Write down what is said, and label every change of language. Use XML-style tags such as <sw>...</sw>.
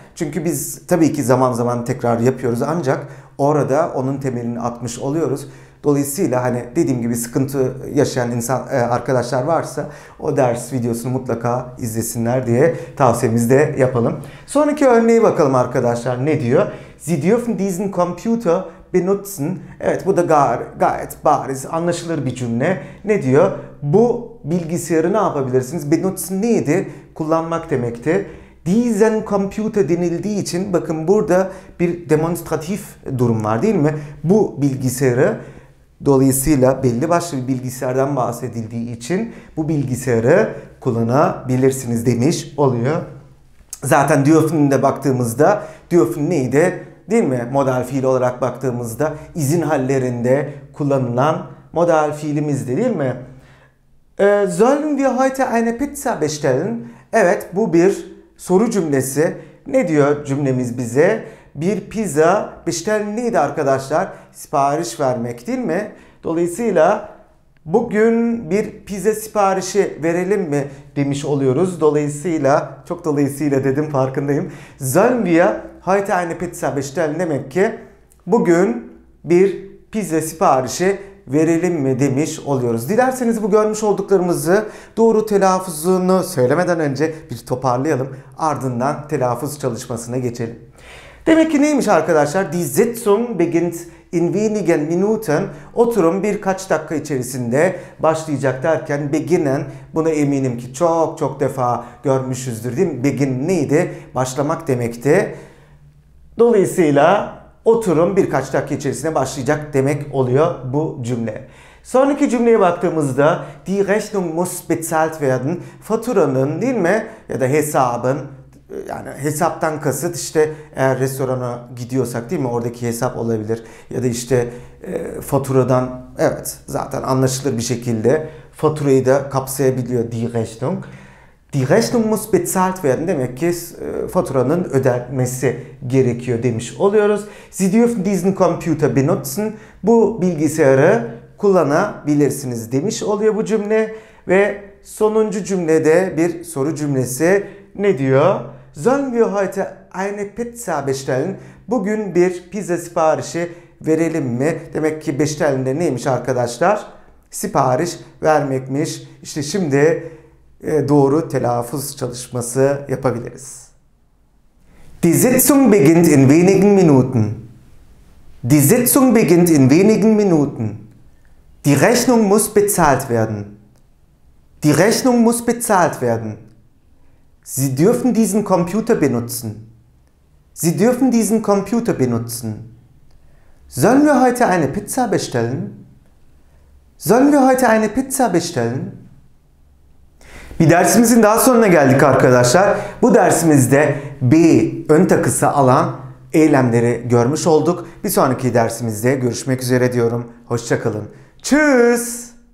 <tr>Çünkü biz tabii ki zaman zaman tekrar yapıyoruz ancak orada onun temelini atmış oluyoruz. Dolayısıyla hani dediğim gibi sıkıntı yaşayan arkadaşlar varsa o ders videosunu mutlaka izlesinler diye tavsiyemizi de yapalım. Sonraki örneğe bakalım arkadaşlar ne diyor?</tr> <de>Sie dürfen diesen Computer benutzen.</de> <tr>Evet bu da gayet bariz, anlaşılır bir cümle. Ne diyor? Bu bilgisayarı ne yapabilirsiniz? Benutzen neydi? Kullanmak demekti.</tr> <de>Diesen Computer</de> <tr>denildiği için bakın burada bir demonstratif durum var değil mi? Bu bilgisayarı dolayısıyla belli başlı bir bilgisayardan bahsedildiği için bu bilgisayarı kullanabilirsiniz demiş oluyor. Zaten dürfen'de baktığımızda dürfen neydi değil mi? Modal fiil olarak baktığımızda izin hallerinde kullanılan modal fiilimizdi değil mi?</tr> <de>Sollen wir heute eine Pizza bestellen?</de> <tr>Evet bu bir soru cümlesi. Ne diyor cümlemiz bize? Bir pizza bestellen neydi arkadaşlar? Sipariş vermek değil mi? Dolayısıyla bugün bir pizza siparişi verelim mi demiş oluyoruz. Dolayısıyla, çok dolayısıyla dedim farkındayım.</tr> <de>Sollen wir heute eine Pizza bestellen?</de> <tr>Demek ki bugün bir pizza siparişi verelim mi demiş oluyoruz. Dilerseniz bu görmüş olduklarımızı doğru telaffuzunu söylemeden önce bir toparlayalım. Ardından telaffuz çalışmasına geçelim. Demek ki neymiş arkadaşlar?</tr> <de>Die Sitzung beginnt in wenigen Minuten.</de> <tr>Oturum birkaç dakika içerisinde başlayacak derken beginnen, buna eminim ki çok çok defa görmüşüzdür değil mi? Begin neydi? Başlamak demekti. Dolayısıyla oturum birkaç dakika içerisinde başlayacak demek oluyor bu cümle. Sonraki cümleye baktığımızda</tr> <de>die Rechnung muss bezahlt werden,</de> <tr>faturanın değil mi ya da hesabın, yani hesaptan kasıt işte eğer restorana gidiyorsak değil mi oradaki hesap olabilir ya da işte faturadan, evet zaten anlaşılır bir şekilde faturayı da kapsayabiliyor</tr> <de>die Rechnung. Die Rechnung muss bezahlt werden,</de> <tr>demek ki faturanın ödenmesi gerekiyor demiş oluyoruz.</tr> <de>Sie dürfen diesen Computer benutzen,</de> <tr>bu bilgisayarı kullanabilirsiniz demiş oluyor bu cümle. Ve sonuncu cümlede bir soru cümlesi ne diyor?</tr> <de>Sollen wir heute eine Pizza bestellen?</de> <tr>Bugün bir pizza siparişi verelim mi? Demek ki bestellen de neymiş arkadaşlar? Sipariş vermekmiş. İşte şimdi doğru telaffuz çalışması yapabiliriz.</tr> <de>Die Sitzung beginnt in wenigen Minuten. Die Sitzung beginnt in wenigen Minuten. Die Rechnung muss bezahlt werden. Die Rechnung muss bezahlt werden. Sie dürfen diesen Computer benutzen. Sie dürfen diesen Computer benutzen. Sollen wir heute eine Pizza bestellen? Sollen wir heute eine Pizza bestellen?</de> <tr>Bir dersimizin daha sonuna geldik arkadaşlar. Bu dersimizde be ön takısı alan eylemleri görmüş olduk. Bir sonraki dersimizde görüşmek üzere diyorum. Hoşça kalın. Tschüss.</tr>